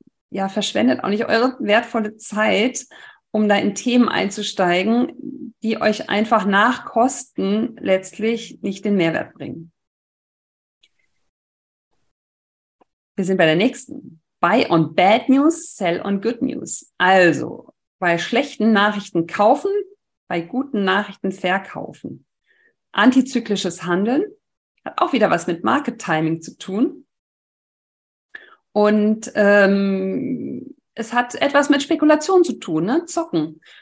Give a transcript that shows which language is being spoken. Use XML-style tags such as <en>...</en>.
<de>ja, verschwendet auch nicht eure wertvolle Zeit, um da in Themen einzusteigen, die euch einfach nach Kosten letztlich nicht den Mehrwert bringen. Wir sind bei der nächsten.</de> <en>Buy on bad news, sell on good news.</en> <de>Also, bei schlechten Nachrichten kaufen, bei guten Nachrichten verkaufen. Antizyklisches Handeln hat auch wieder was mit Market Timing zu tun. Und es hat etwas mit Spekulation zu tun, ne? Zocken.</de>